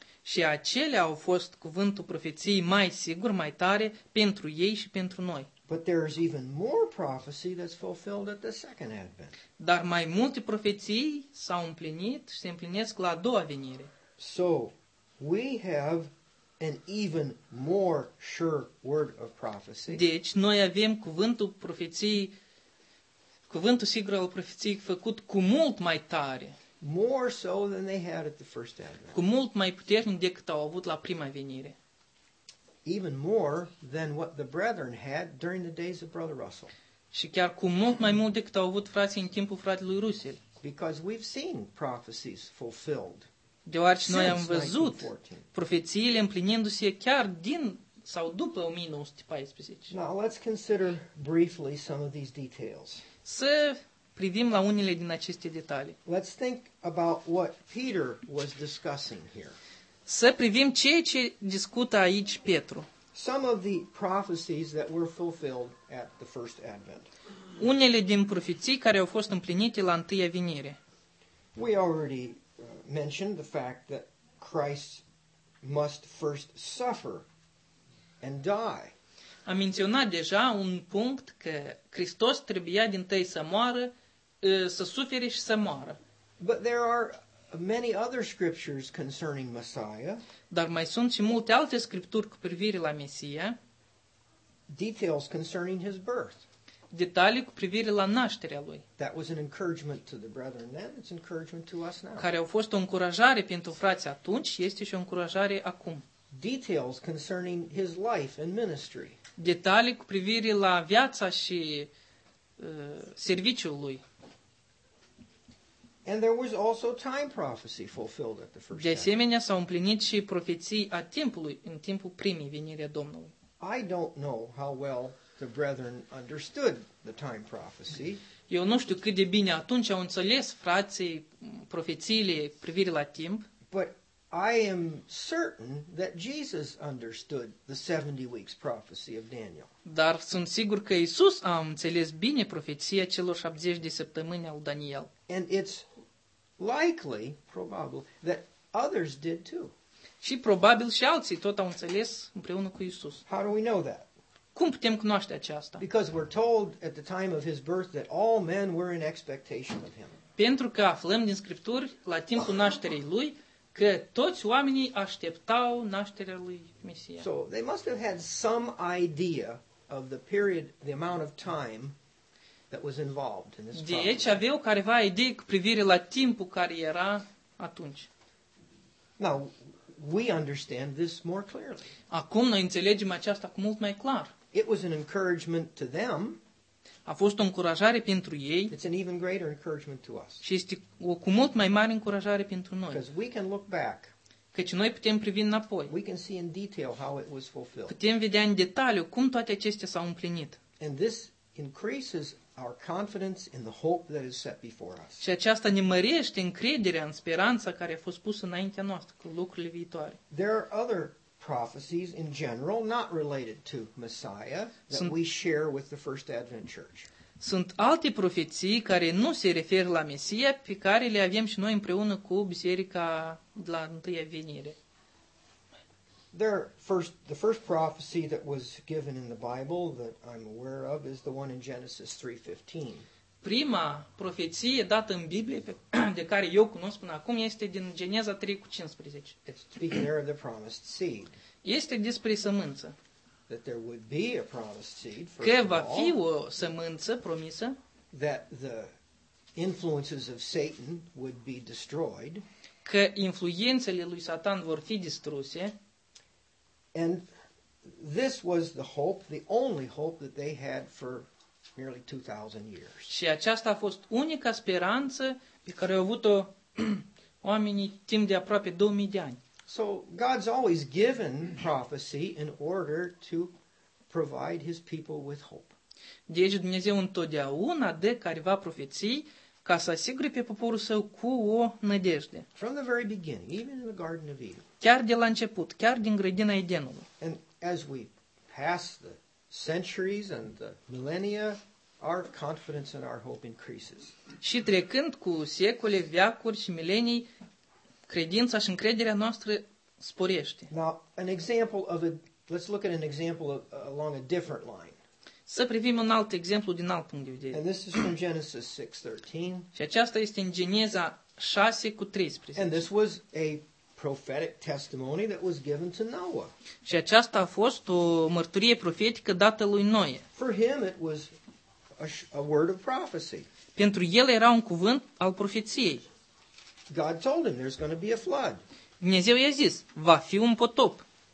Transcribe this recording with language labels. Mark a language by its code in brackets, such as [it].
[ro] Și acelea au fost cuvântul profeției mai sigur, mai tare pentru ei și pentru noi. [en] But there is even more prophecy that's fulfilled at the second advent. [ro] Dar mai multe profeții s-au împlinit și se împlinesc la a doua venire. [en] So, we have an even more sure word of prophecy. [ro] Deci noi avem cuvântul profeției, cuvântul sigur al profeției făcut cu mult mai tare. [en] More so than they had at the first advent. [ro] Cu mult mai puternic decât au avut la prima venire. [en] Even more than what the brethren had during the days of Brother Russell. [ro] Și chiar cu mult mai mult decât au avut frații în timpul fratelui Russell. [en] Because we've seen prophecies fulfilled. [ro] Deoarece noi am văzut profețiile împlinindu-se chiar din sau după 1914. [en] Now let's consider briefly some of these details. [ro] Să privim la unele din aceste detalii. [en] Let's think about what Peter was discussing here. [ro] Să privim ceea ce discută aici Petru. [en] Some of the prophecies that were fulfilled at the first advent. [ro] Unele din profeții care au fost împlinite la întâia venire. [en] We already mentioned the fact that Christ must first suffer and die. [ro] Am menționat deja un punct că Hristos trebuia din tâi să moară, să sufere și să moară. [en] But there are many other scriptures concerning Messiah. [ro] Dar mai sunt și multe alte scripturi cu privire la Mesia. [en] Details concerning his birth. [ro] Detalii cu privire la nașterea lui. [en] That was an encouragement to the brethren then, it's encouragement to us now. [ro] Care au fost o încurajare pentru frații atunci, este și o încurajare acum. [en] Details concerning his life and ministry. [ro] Detalii cu privire la viața și serviciul lui. [en] And there was also time prophecy fulfilled at the first [ro] time. De asemenea, s-au împlinit și profeții a timpului în timpul primii venire a Domnului. [en] I don't know how well the brethren understood the time prophecy. [ro] Eu nu știu cât de bine atunci au înțeles frații profețiile privire la timp. [en] But I am certain that Jesus understood the 70 weeks prophecy of Daniel. [ro] Dar sunt sigur că Isus a înțeles bine profeția celor 70 de săptămâni al Daniel. [en] And it's likely, probable, that others did too. [ro] Și probabil și alții tot au înțeles împreună cu Isus. [en] How do we know that? [ro] Cum putem cunoaște aceasta? [en] Because we're told at the time of his birth that all men were in expectation of him. [ro] Pentru că aflăm din scripturi la timpul nașterii lui că toți oamenii așteptau nașterea lui Mesia. [en] So they must have had some idea of the period, the amount of time that was involved in this prophecy. [ro] Deci aveau careva idee cu privire la timpul care era atunci. [en] Now, we understand this more clearly. [ro] Acum noi înțelegem aceasta cu mult mai clar. [en] It was an encouragement to them. [ro] A fost o încurajare pentru ei. [en] It's an even greater encouragement to us. [ro] Și este o cu mult mai mare încurajare pentru noi. [en] Because we can look back. [ro] Căci noi putem privi înapoi. [en] We can see in detail how it was fulfilled. [ro] Putem vedea în detaliu cum toate acestea s-au împlinit. [en] And this increases our confidence in the hope that is set before us. [ro] Și aceasta ne mărește încrederea în speranța care a fost pusă înaintea noastră cu lucrurile viitoare. [en] There are other prophecies in general not related to Messiah that we share with the First Advent Church. [ro] Sunt alte profeții care nu se referă la Mesia pe care le avem și noi împreună cu biserica de la întâia venire. [en] The first prophecy that was given in the Bible that I'm aware of is the one in Genesis 3:15. [ro] Prima profeție dată în Biblie de care eu cunosc până acum este din Geneza 3:15. [en] It's speaking of the promised seed. [ro] Este despre sămânță. [en] That there would be a promised seed. [ro] Că va fi o sămânță promisă. [en] that the influences of Satan would be destroyed. [ro] Că influențele lui Satan vor fi distruse. [en] And this was the hope, the only hope that they had for nearly 2,000 years. [ro] Și aceasta a fost unica speranță pe care au avut-o oamenii timp de aproape 2000 de ani. [en] So God's always given prophecy in order to provide his people with hope. [ro] Deci Dumnezeu întotdeauna dă careva profeții ca să asigure pe poporul său cu o nădejde. [en] From the very beginning, even in the Garden of Eden. [ro] Chiar de la început, chiar din grădina Edenului. [en] And as we pass the centuries and the millennia, our confidence and our hope increases. [ro] Și trecând cu secole, veacuri și milenii, credința și încrederea noastră sporește. [en] Now, an example of a, let's look at an example of, along a different line. [ro] Să privim un alt exemplu din alt punct de vedere. [en] And this is from Genesis 6:13. [ro] Și aceasta este în Geneza 6:13. [en] And this was a prophetic testimony that was given to Noah. [ro] Și aceasta a fost o mărturie profetică dată lui Noe. [en] For him it was a word of prophecy. [ro] Pentru el era un cuvânt al profeției. [en] God told him there's going to be a flood. [ro] Dumnezeu i-a zis, va fi un potop.